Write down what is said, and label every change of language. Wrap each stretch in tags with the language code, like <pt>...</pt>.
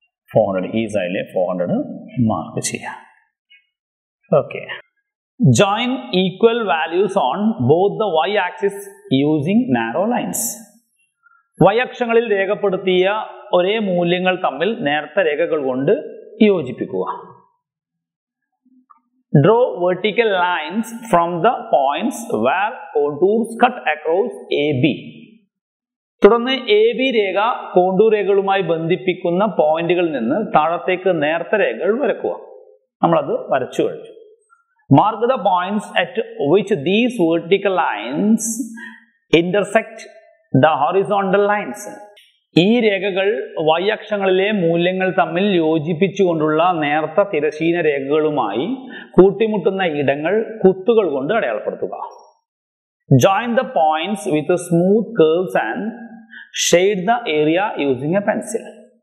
<ml>400 ഈ സൈഡിലെ 400 മാർക്ക് ചെയ്യാം.</ml> <en>Okay, join equal values on both the Y axis using narrow lines.</en> <ml>Y അക്ഷങ്ങളിൽ രേഖപ്പെടുത്തിയ ഒരേ മൂല്യങ്ങൾ തമ്മിൽ നേർത്ത രേഖകൾ കൊണ്ട് യോജിപ്പിക്കുക.</ml> <en>Draw vertical lines from the points where contours cut across AB.</en> <ml>തുടർന്ന് AB രേഖ കോണ്ടൂർ രേഖകളുമായി ബന്ധിപ്പിക്കുന്ന പോയിന്റുകളിൽ നിന്ന് താഴത്തേക്ക് നേർത്ത രേഖകൾ വരക്കുക. നമ്മളത് വരച്ചു കഴിച്ചു.</ml> <en>Mark the points at which these vertical lines intersect the horizontal lines.</en> <ml>ഈ രേഖകൾ വൈ അക്ഷങ്ങളിലെ മൂല്യങ്ങൾ തമ്മിൽ യോജിപ്പിച്ചുകൊണ്ടുള്ള നേർത്ത തിരശീന രേഖകളുമായി കൂട്ടിമുട്ടുന്ന ഇടങ്ങൾ കുത്തുകൾ കൊണ്ട് അടയാളപ്പെടുത്തുക.</ml> <en>Join the points with smooth curves and shade the area using a pencil.</en>